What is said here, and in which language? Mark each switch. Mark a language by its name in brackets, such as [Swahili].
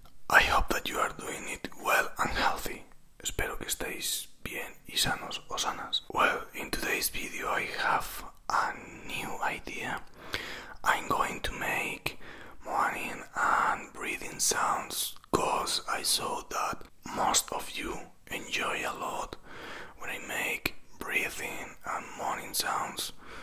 [English] I hope that you are doing it well and healthy. [Spanish] Espero que estéis bien y sanos o sanas. [English] Well, in today's video I have a new idea. I'm going to make moaning and breathing sounds because I saw that most of you enjoy a lot when I make breathing and moaning sounds.